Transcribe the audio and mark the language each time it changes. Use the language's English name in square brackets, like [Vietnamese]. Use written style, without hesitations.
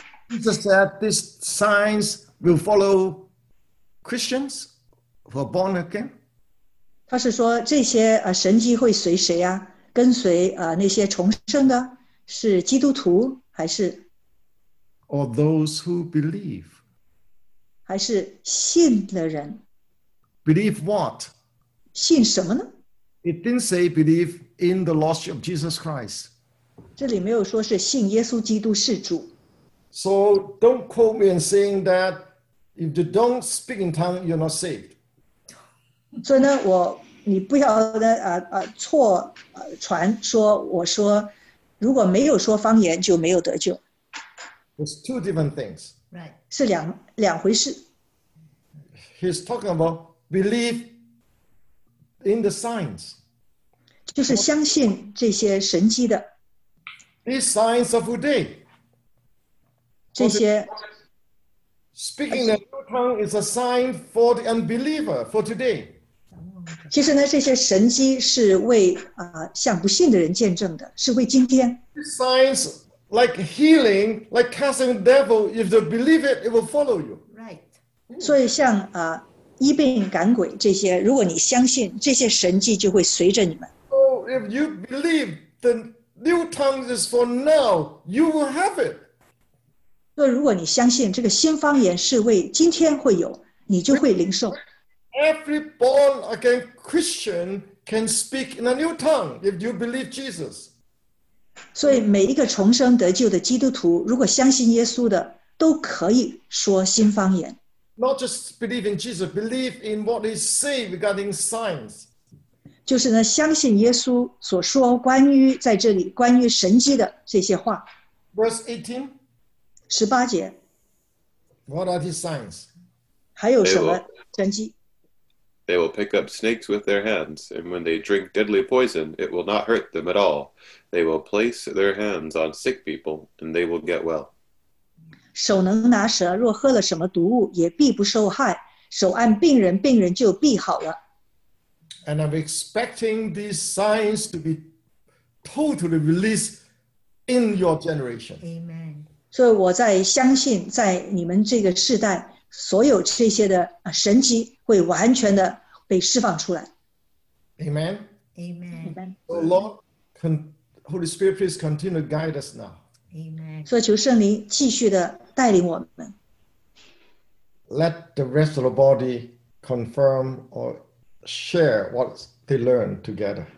[English] Jesus said these signs will follow Christians who are born again. [Chinese] 他是说这些, 神迹会随谁啊? 跟随, 那些重生的?是基督徒还是? [English] Or those who believe? [Chinese] 还是信的人? [English] Believe what? [Chinese] 信什么呢? [English] It didn't say believe in the Lordship of Jesus Christ. [Chinese] 这里没有说是信耶稣基督是主。 [English] So don't quote me in saying that if you don't speak in tongue, you're not saved. [Chinese] 所以呢, 我, 你不要呢, 错, 传说, 我说, 如果没有说方言, [English] it's two different things. Right. [Chinese] 是两, 两回事。 [English] He's talking about belief in the signs. [Chinese] 就是相信这些神迹的。 [English] These signs of who day? [Chinese] 这些, [English] speaking in tongue is a sign for the unbeliever for today. [Chinese] 其实呢，这些神迹是为向不信的人见证的，是为今天。 [English] Signs like healing, like casting the devil, if they believe it, it will follow you. Right. [Chinese] 所以像医病赶鬼这些，如果你相信，这些神迹就会随着你们。 [English] So if you believe the new tongues is for now, you will have it. [Chinese] 所以如果你相信这个新方言是为今天会有，你就会领受。 [English] Every born again Christian can speak in a new tongue if you believe Jesus. [Chinese] 所以每一个重生得救的基督徒，如果相信耶稣的，都可以说新方言。 [English] Not just believe in Jesus, believe in what he says regarding signs. [Chinese] 就是呢，相信耶稣所说关于在这里关于神迹的这些话。 [English] Verse 18. [Chinese] 十八节。 [English] What are these signs? [Chinese] 还有什么神迹？ [English] They will pick up snakes with their hands, and when they drink deadly poison, it will not hurt them at all. They will place their hands on sick people, and they will get well. [Chinese] 手能拿蛇，若喝了什么毒物，也必不受害。手按病人，病人就必好了。 [English] And I'm expecting these signs to be totally released in your generation. Amen. [Chinese] 所以我在相信，在你们这个世代，所有这些的神迹会完全的被释放出来。 [English] Amen. Amen. So Lord, Holy Spirit, please continue to guide us now. Amen. [Chinese] 所以求圣灵继续的带领我们。 [English] Let the rest of the body confirm or share what they learn together.